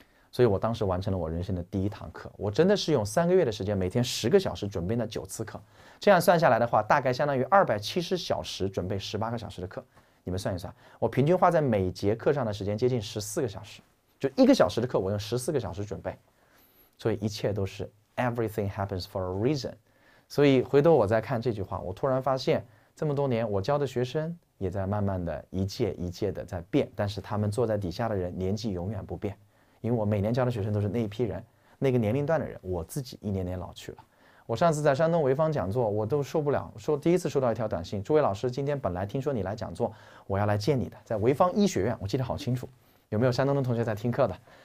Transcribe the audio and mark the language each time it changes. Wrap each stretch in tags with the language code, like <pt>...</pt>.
<zh>所以我当时完成了我人生的第一堂课，我真的是用3个月的时间，每天10个小时准备了9次课，这样算下来的话，大概相当于270小时准备18个小时的课。你们算一算，我平均花在每节课上的时间接近14个小时，就一个小时的课，我用14个小时准备。所以一切都是</zh> <en>everything happens for a reason。</en> <zh>所以回头我再看这句话，我突然发现，这么多年我教的学生也在慢慢的一届一届的在变，但是他们坐在底下的人年纪永远不变。因为我每年教的学生都是那一批人，那个年龄段的人，我自己一年年老去了。我上次在山东潍坊讲座，我都受不了，说第一次收到一条短信，朱伟老师，今天本来听说你来讲座，我要来见你的，在潍坊医学院，我记得好清楚，有没有山东的同学在听课的？</zh>